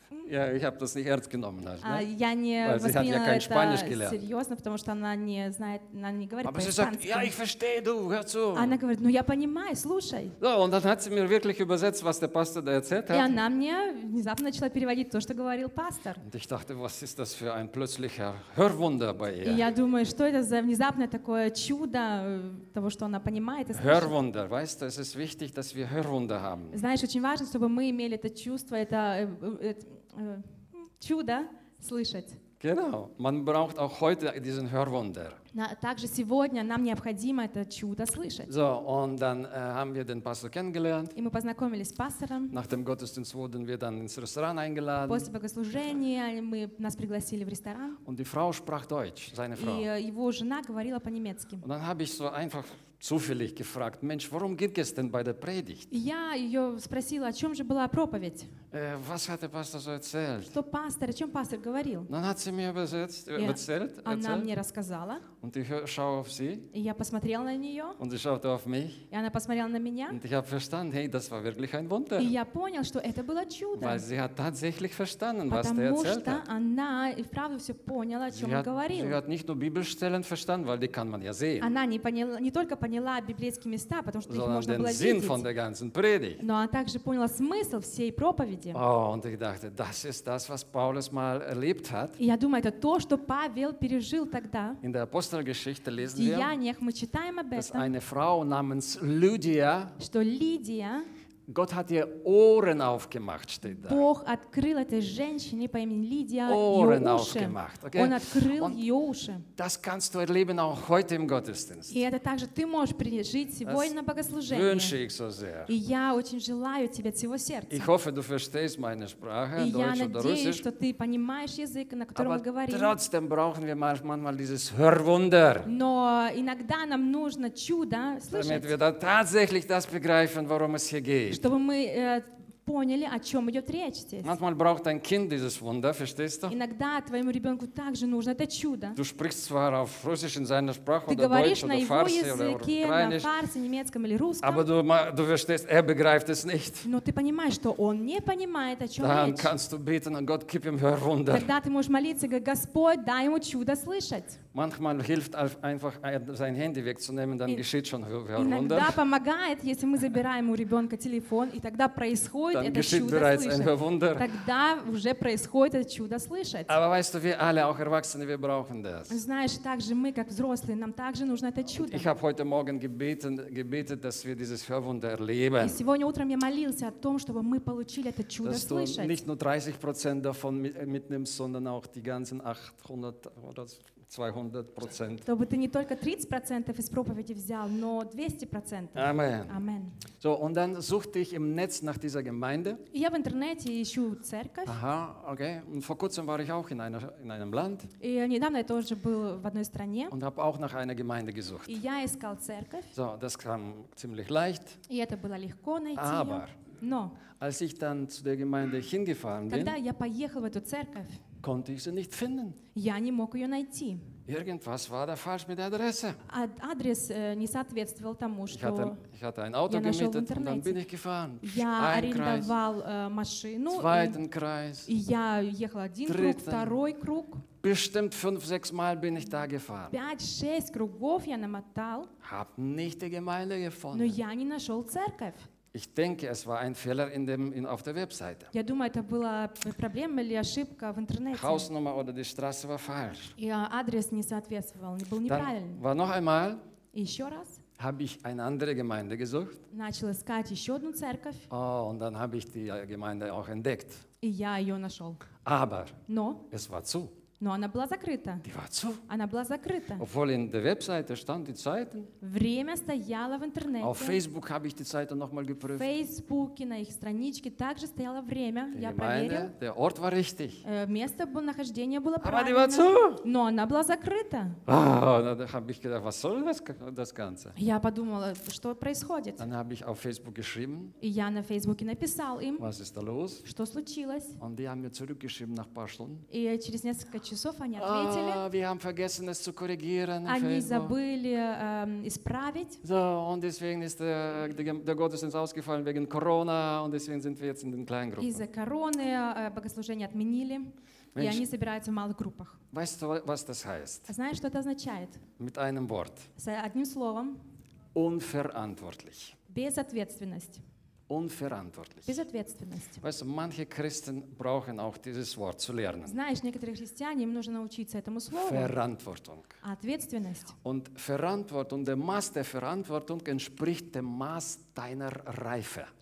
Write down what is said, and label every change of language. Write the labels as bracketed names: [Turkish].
[German] Ja, ich habe das nicht ernst genommen. Also, ne? Weil sie hat ja kein Spanisch gelernt. [Russian] Серьезно, потому что она не знает, она не говорит по-испански. [German] Aber sie sagt, ja, ich verstehe, du, hör zu. [Russian] Она говорит, ну я понимаю, слушай. [German] So, und dann hat sie mir wirklich übersetzt, was der Pastor da erzählt hat. [Russian] И она мне внезапно начала переводить то, что говорил пастор. [German] Und ich dachte, was ist das für ein plötzlicher Hörwunder bei ihr? [Russian] И я думаю, что это за внезапное такое чудо того, что она понимает и слышит. [German] Hörwunder, weißt du, es ist wichtig, dass wir Hörwunder haben. [Russian] Знаешь, очень важно, чтобы мы имели это чувство, это чудо слышать. [German] Genau. Man braucht auch heute diesen Hörwunder. [Russian] Также сегодня нам необходимо это чудо слышать. [German] So, und dann haben wir den Pastor kennengelernt. [Russian] И мы познакомились с пастором. [German] Nach dem Gottesdienst wurden wir dann ins Restaurant eingeladen. [Russian] После богослужения нас пригласили в ресторан. [German] Und die Frau sprach Deutsch, seine Frau. [Russian] И его жена говорила по-немецки. [German] Und dann habe ich so einfach zufällig gefragt, Mensch, worum geht es denn bei der Predigt? [Russian] Я ее спросила, о чем же была проповедь? [German] Was hat der Pastor so erzählt? [Russian] Что пастор, о чем пастор говорил? [German] Dann hat sie mir übersetzt, erzählt. [Russian] Она мне рассказала. [German] Und ich schaue auf sie. [Russian] И я посмотрела на нее. [German] Und sie schaute auf mich. [Russian] И она посмотрела на меня. [German] Und ich habe verstanden, hey, das war wirklich ein Wunder. [Russian] И я понял, что это было чудо. [German] Weil sie hat tatsächlich verstanden, was der erzählt hat. [Russian] Потому что она и вправду все поняла, о чем он говорил. [German] Sie hat nicht nur Bibelstellen verstanden, weil die kann man ja sehen. [Russian] Она не поняла, не только поняла библейские места, потому что их можно было видеть. [German] Sondern den Sinn von der ganzen Predigt. [Russian] Но она также поняла смысл всей проповеди. [German] Oh, und ich dachte, das ist das, was Paulus mal erlebt hat. [Russian] И я думаю, это то, что Павел пережил тогда. [German] In der Apostelgeschichte lesen wir, [Russian] Деяниях мы читаем об этом, [German] dass eine Frau namens Lydia, [Russian] что Лидия, [German] Gott hat ihr Ohren aufgemacht, steht da. [Russian] Бог открыл этой женщине по имени Лидия [German] Ohren aufgemacht, okay? [Russian] Он открыл ее уши. [German] Das kannst du erleben auch heute im Gottesdienst. [Russian] И это также ты можешь пережить сегодня на богослужении. [German] Das wünsche ich so sehr. [Russian] И я очень желаю тебе всего сердца. [German] Ich hoffe, du verstehst meine Sprache, Deutsch oder Russisch. [Russian] И я надеюсь, что ты понимаешь язык, на котором мы говорим. [German] Aber trotzdem brauchen wir manchmal dieses Hörwunder. [Russian] Но иногда нам нужно чудо слышать. [German] Damit wir tatsächlich das begreifen, worum es hier geht. [Russian] Чтобы мы поняли, о чем идет речь здесь. [German] Manchmal braucht ein Kind dieses Wunder, verstehst du? [Russian] Иногда твоему ребенку также нужно это чудо. [German] Du sprichst zwar auf Russisch in seiner Sprache, [Russian] ты говоришь [German] Deutsch, [Russian] на его языке, на фарсе, немецком или русском. [German] Aber du verstehst, er begreift es nicht. [Russian] Но ты понимаешь, что он не понимает, о чем [German] Dann [Russian] речь. [German] Kannst du beten, Gott, [English] keep him her [German] Wunder. [Russian] Тогда ты можешь молиться, говорить, Господь, дай ему чудо слышать. [German] Manchmal hilft einfach sein Handy wegzunehmen, dann geschieht schon Hörwunder. [Russian] Иногда помогает, если мы забираем у ребенка телефон, и тогда происходит [German] dann [Russian] это чудо слышать. [German] Ein Hörwunder. [Russian] Тогда уже происходит это чудо слышать. [German] Aber weißt du, wir alle, auch Erwachsene, wir brauchen das. [Russian] Знаешь, также мы, как взрослые, нам также нужно это чудо. [German] Ich habe heute Morgen gebetet, dass wir dieses Hörwunder erleben. [Russian] И сегодня утром я молился о том, чтобы мы получили это чудо [German] dass [Russian] слышать. [German] Nicht nur 30% davon mitnimmst, sondern auch die ganzen 800 oder 200%. [Russian] Чтобы ты не только 30% из проповеди взял, но 200%. [German] Amen. So, und dann suchte ich im Netz nach dieser Gemeinde. [Russian] Я в интернете ищу церковь. [German] Aha, okay. Und vor kurzem war ich auch in einem Land. [Russian] И недавно я тоже был в одной стране. [German] Und habe auch nach einer Gemeinde gesucht. [Russian] И я искал церковь. [German] So, das kam ziemlich leicht. [Russian] И это было легко найти. [German] Aber, [Russian] но, [German] als ich dann zu der Gemeinde hingefahren [Russian] когда [German] bin, [Russian] когда я поехал в эту церковь, [German] konnte ich sie nicht finden. [Russian] Я не мог ее найти. [German] Irgendwas war da falsch mit der Adresse. [Russian] Адрес не соответствовал тому, что я нашел в интернете. [German] Ich hatte ein Auto gemietet und dann bin ich gefahren. [Russian] Я арендовал машину. [German] Zweiten Kreis. [Russian] И я ехал один круг, второй круг. [German] Bestimmt 5-6 Mal bin ich da gefahren. [Russian] 5-6 кругов я намотал. [German] Hab nicht die Gemeinde gefunden. [Russian] Но я не нашел церковь. [German] Ich denke, es war ein Fehler in dem, in, auf der Webseite. [Russian] Я думаю, это была проблема или ошибка в интернете. [German] Hausnummer oder die Straße war falsch. [Russian] Я адрес не соответствовал, был неправильный. [German] Dann war noch einmal. [Russian] Еще раз. [German] Habe ich eine andere Gemeinde gesucht. [Russian] Начал искать еще одну церковь. [German] Oh, und dann habe ich die Gemeinde auch entdeckt. [Russian] И я ее нашел. [German] Aber. [Russian] Но. [German] Es war zu. [Russian] Но она была закрыта. [German] Die war zu. [Russian] Она была закрыта. [German] Obwohl in der Webseite stand die Zeiten. [Russian] Время стояло в интернете. [German] Auf Facebook habe ich die Zeiten nochmal geprüft. [Russian] В Фейсбуке на их страничке также стояло время. [German] Die [Russian] я [German] Gemeinde, [Russian] проверил. [German] Der Ort war richtig. [Russian] Место нахождения было [German] Aber [Russian] правильно. [German] Die war zu. [Russian] Но она была закрыта. [German] Oh, da habe ich gedacht, was soll das, das Ganze? [Russian] Я подумала, что происходит. [German] Dann habe ich auf Facebook geschrieben. [Russian] И я на Фейсбуке написал им. [German] Was ist da los? [Russian] Что случилось? [German] Und die haben mir zurückgeschrieben nach paar Stunden. [Russian] И через несколько часов они ответили. [German] Oh, wir haben vergessen, es zu korrigieren, [Russian] они Facebook. Забыли исправить. [German] So, und deswegen ist der Gottesdienst ausgefallen wegen Corona und deswegen sind wir jetzt in den kleinen Gruppen. [Russian] Из-за короны богослужение отменили. [German] Mensch, [Russian] и они собираются в малых группах. [German] Weißt du, was das heißt? [Russian] Знаешь, что это означает? [German] Mit einem Wort. [Russian] С одним словом. [German] Unverantwortlich. [Russian] Безответственность. [German] Unverantwortlich. [Russian] Безответственность. [German] Weißt du, manche Christen brauchen auch dieses Wort zu lernen. [Russian] Знаешь, некоторые христиане, им нужно научиться этому слову. [German] Verantwortung. [Russian] Ответственность. [German] Und Verantwortung, der Maß der Verantwortung entspricht dem Maß deiner Reife.